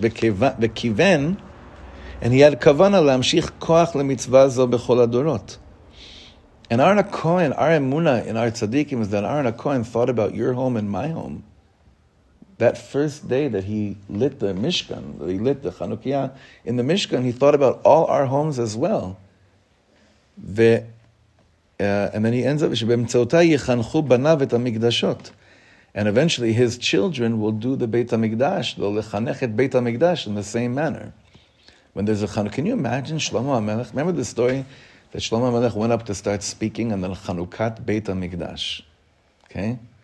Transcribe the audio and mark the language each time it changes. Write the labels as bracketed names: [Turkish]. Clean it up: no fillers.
[Hebrew] V'kiven, [English] and he had kavana [Hebrew] lamshich koach lemitzvah zo b'chol adorot. [English] And Aaron HaKohen, our emuna in our tzaddikim is that Aaron HaKohen thought about your home and my home. That first day that he lit the Mishkan, that he lit the Chanukiah in the Mishkan, he thought about all our homes as well. And then he ends up, [Hebrew] שבאמצעותה יחנכו בניו את המקדשות. [English] And eventually his children will do the Beit HaMikdash, they'll lechanech et Beit HaMikdash in the same manner. When there's a Chanukah, can you imagine Shlomo HaMelech? Remember the story that Shlomo HaMelech went up to start speaking and then Chanukat Beit HaMikdash? Okay?